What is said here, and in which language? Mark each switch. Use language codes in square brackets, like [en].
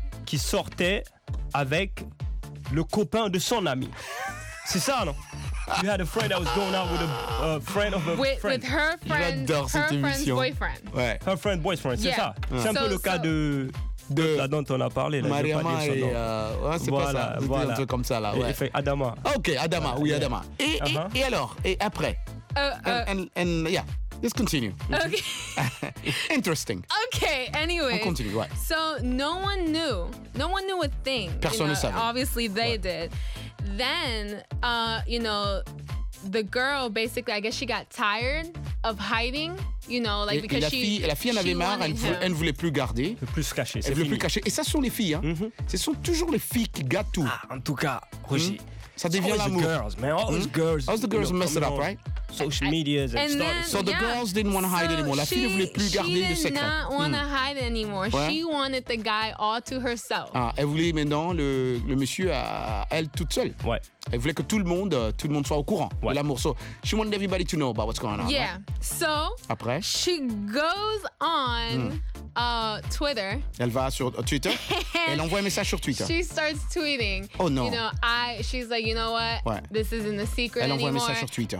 [fr] qui sortait avec le copain de son ami. C'est ça, non? [en] You had a friend that was going out with a friend of a friend. With her friend, boyfriend. [fr] Ouais. [en] Her friend's boyfriend, [fr] c'est ça. Ouais. C'est un peu le cas de... De la dont on a parlé, là, Mariama pas et c'est un truc comme ça là. Ouais. Et Adama. Ok, Adama, Adama. Et alors, et après. [en] Let's continue. Ok. Interesting. Ok, anyway. [fr] On continue, ouais. [en] So, no one knew a thing. [fr] Personne ne savait. [en] Obviously, they did. Then, the girl basically, I guess she got tired of hiding. [fr] La fille en avait marre, elle ne voulait plus se cacher. Et ça, ce sont les filles. Ce sont toujours les filles qui gâtent tout. Ah, en tout cas, Roger, ça devient l'amour. [en] All the girls messed it up, right? Social media is and started. So the girls didn't want to hide anymore. [fr] La fille ne voulait plus garder le secret. [en] She did not want to hide anymore. Ouais. She wanted the guy all to herself. [fr] Ah, elle voulait maintenant le monsieur à elle toute seule. Ouais. Elle voulait que tout le monde soit au courant de l'amour. [en] So she wanted everybody to know about what's going on. Yeah. Right? So [fr] après, [en] she goes on Twitter. [fr] Elle va sur Twitter. Elle envoie un message sur Twitter. [en] She starts tweeting. [fr] Oh non. [en] You know, she's like, you know what? [fr] Ouais. [en] This isn't a secret anymore. [fr] Elle envoie [en] anymore. [fr] Un message sur Twitter.